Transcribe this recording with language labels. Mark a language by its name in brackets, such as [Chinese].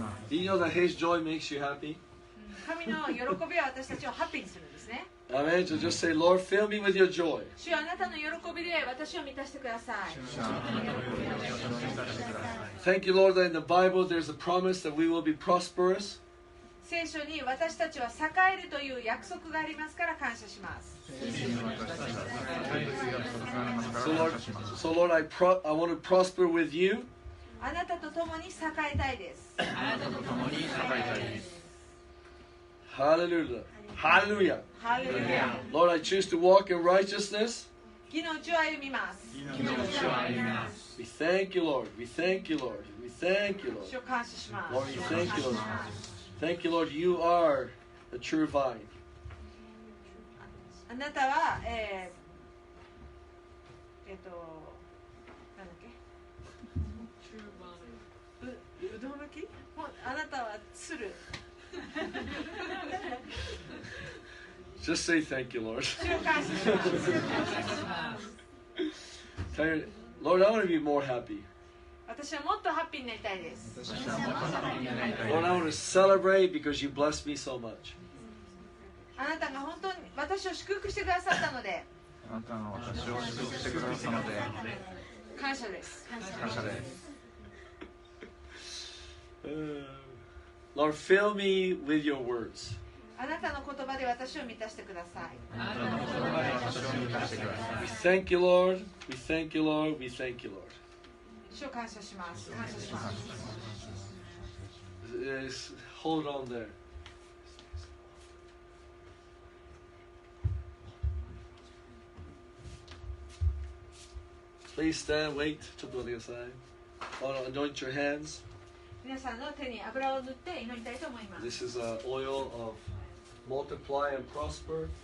[English] You know that His joy makes you happy. [Japanese] 神の喜びは私たちをハッピーにするんですね。 [English] Amen. So just say, Lord, fill me with your joy. [Japanese] 主よ、あなたの喜びで私を満たしてください。 [English] Thank you, Lord, that in the Bible there's a promise that we will be prosperous. [Japanese] 聖書に私たちは栄えるという約束がありますから感謝します。 [English] So Lord, so Lord, I want to prosper with you. [Japanese] あなたと共に栄えたいです。 [English] Hallelujah. Hallelujah. Hallelujah. Lord, I choose to walk in righteousness. [Japanese] 義の道を歩みます。義の道を歩みます。 [English] We thank you, Lord. We thank you, Lord. We thank you, Lord. [Japanese] 主を感謝します。 [English] Lord, we thank you, Lord. Thank you, Lord. You are a true vine. [Japanese] あなたは、うどん巻き？あなたは鶴。 [English] Just say thank you, Lord. [Japanese] 主感謝します。 [English] Lord, I want to be more happy. [Japanese] 私はもっとハッピーになりたいです。 [English] Lord, I want to celebrate because you blessed me so much. [Japanese] あなたが本当に私を祝福してくださったので、あなたが私を祝福してくださったので、感謝です、感謝です。 [English] Lord, fill me with your words. [Japanese] あなたの言葉で私を満たしてください。あなたの言葉で私を満たしてください。 [English] We thank you, Lord. We thank you, Lord. We thank you, Lord. [Japanese] 主を感謝します、感謝します。 [English] Hold on there. Please stand, wait, [Japanese] ちょっと待ってください。 [English] Anoint your hands. [Japanese] 皆さんの手に油を塗って祈りたいと思います。 [English] This is an oil of multiply and prosper.